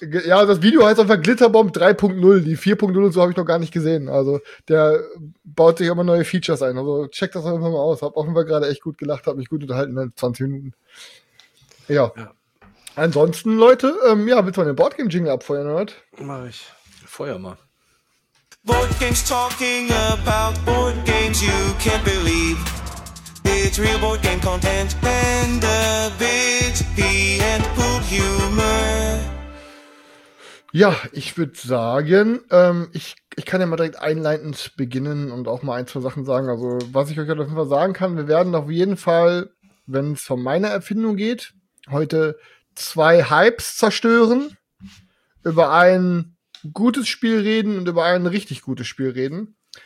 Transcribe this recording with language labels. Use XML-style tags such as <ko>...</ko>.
<de>Ja, das Video heißt einfach Glitterbomb 3.0, die 4.0 und so habe ich noch gar nicht gesehen, also der baut sich immer neue Features ein, also check das einfach mal aus. Hab offenbar gerade echt gut gelacht, hab mich gut unterhalten in 20 Minuten. Ja. Ansonsten, Leute, willst du mal den Boardgame-Jingle abfeuern, oder? Mach ich. Feuer mal.</de> <en>Boardgames talking about boardgames you can't believe. It's real boardgame content and a bit and poop humor.</en> <de>Ja, ich würde sagen, ich kann ja mal direkt einleitend beginnen und auch mal ein, zwei Sachen sagen. Also, was ich euch auf jeden Fall sagen kann, wir werden auf jeden Fall, wenn es von meiner Erfindung geht, heute 2 Hypes zerstören, über ein gutes Spiel reden und über ein richtig gutes Spiel reden.</de>